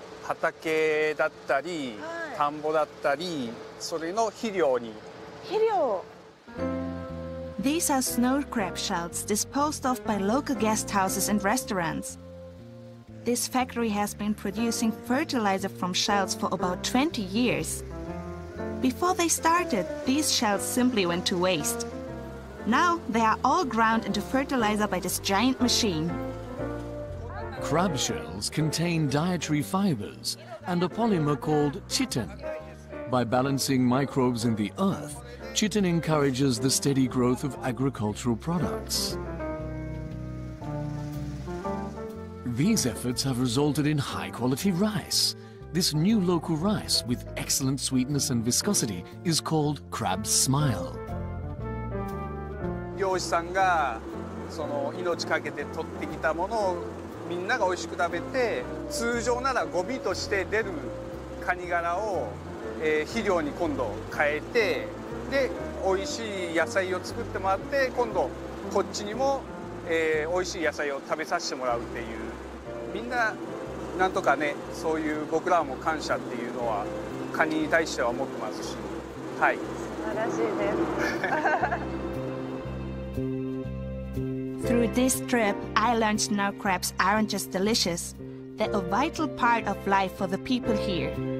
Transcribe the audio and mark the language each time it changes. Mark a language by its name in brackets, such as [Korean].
[Japanese] 畑だったり、田んぼだったり、それの肥料に。肥料。 [English] These are snow crab shells disposed of by local guest houses and restaurants. This factory has been producing fertilizer from shells for about 20 years. Before they started, these shells simply went to waste. Now, they are all ground into fertilizer by this giant machine. Crab shells contain dietary fibers and a polymer called chitin. By balancing microbes in the earth, chitin encourages the steady growth of agricultural products. These efforts have resulted in high-quality rice. This new local rice, with excellent sweetness and viscosity, is called Crab Smile. [Japanese] 漁師さんがその命かけて取ってきたものをみんなが美味しく食べて、通常ならゴミとして出るカニ殻を、肥料に今度変えて、で美味しい野菜を作ってもらって、今度こっちにも、美味しい野菜を食べさせてもらうっていう。みんななんとかね、そういう僕らも感謝っていうのはカニに対しては思ってますし、はい。素晴らしいです。 [English] Through this trip, I learned snow crabs aren't just delicious; they're a vital part of life for the people here.